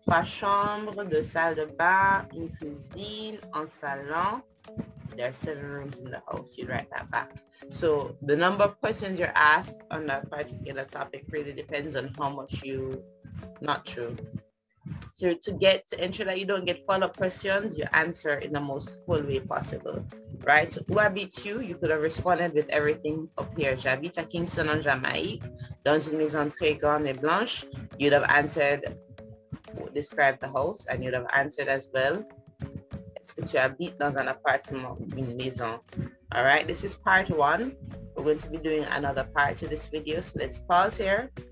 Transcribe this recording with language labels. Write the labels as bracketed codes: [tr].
[fr] 3 chambres, 2 salles de bain, une cuisine, un salon. [en] There are 7 rooms in the house. You write that back. So the number of questions you're asked on that particular topic really depends on how much you, not true. So to ensure that you don't get follow-up questions, you answer in the most full way possible. right? [fr] Où habites-tu? [en] You could have responded with everything up here. [fr] J'habite à Kingston en Jamaïque, dans une maison très grande et blanche. [en] You'd have answered, described the house, and you'd have answered as well. [fr] Est-ce que tu habites dans un appartement, une maison? [en] All right, this is part one. We're going to be doing another part to this video, so let's pause here.